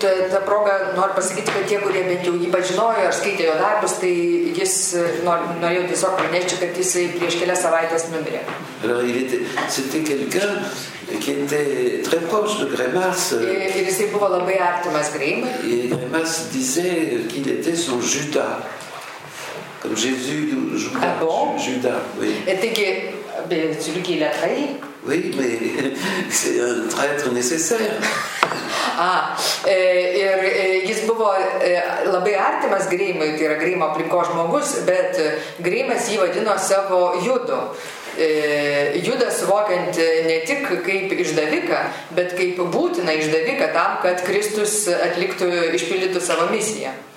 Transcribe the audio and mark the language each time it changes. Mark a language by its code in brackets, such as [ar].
[lt] Ta proga noriu pasakyti, kad tie, kurie bent jau jį pažinojo ar skaitė jo darbus, tai jis norėjo tiesiog pranešti, kad jis prieš kelias savaites numirė. [fr] C'était quelqu'un qui était très proche de Grémas. [lt] Ir jisai buvo labai artimas Grémas. [fr] Et Grémas disait qu'il était son Judas. Comme Jésus Judas. Ah bon? Judas, oui. Et t'es que, bah, celui qui l'a trahi? Oui, mais c'est un traître nécessaire. [lt] Ah, ir jis buvo labai artimas Grémui, tai yra Grémo aplinko žmogus, bet Grémas jį vadino savo judu. Judas suvokiant ne tik kaip išdaviką, bet kaip būtina išdaviką tam, kad Kristus atliktų, išpildytų savo misiją.